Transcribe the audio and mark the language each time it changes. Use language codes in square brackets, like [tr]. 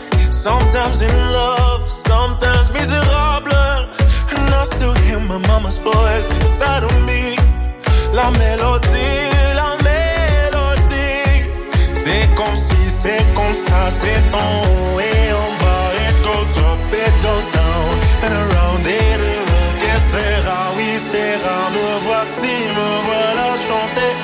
[en] Sometimes in love, sometimes miserable. And I still hear my mama's voice inside of me. [fr] La mélodie, la mélodie. C'est comme si, c'est comme ça, c'est en haut et en bas. [en] It goes up, it goes down, and around it around. [fr] Que sera, oui, sera. Me voici, me voilà chanter.